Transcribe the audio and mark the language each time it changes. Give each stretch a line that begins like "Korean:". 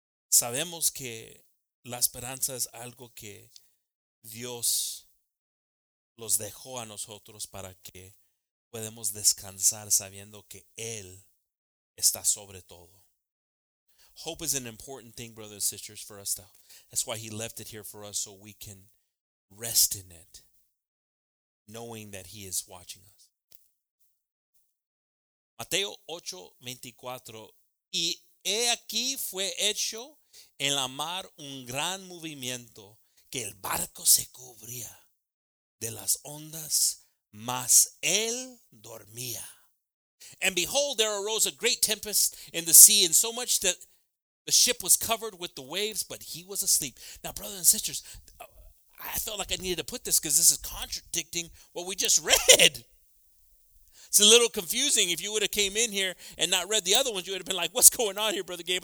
Spanish: Sabemos que la esperanza es algo que Dios los dejó a nosotros para que podamos descansar sabiendo que Él está sobre todo.
English: Hope is an important thing, brothers and sisters, for us to. That's why he left it here for us so we can rest in it, knowing that he is watching us.
Spanish: Mateo 8:24. Y he aquí fue hecho en la mar un gran movimiento, que el barco se cubría de las ondas, mas él dormía.
English: And behold, there arose a great tempest in the sea, and so much that the ship was covered with the waves, but he was asleep. Now, brothers and sisters, I felt like I needed to put this because this is contradicting what we just read. It's a little confusing. If you would have came in here and not read the other ones, you would have been like, what's going on here, Brother Gabe?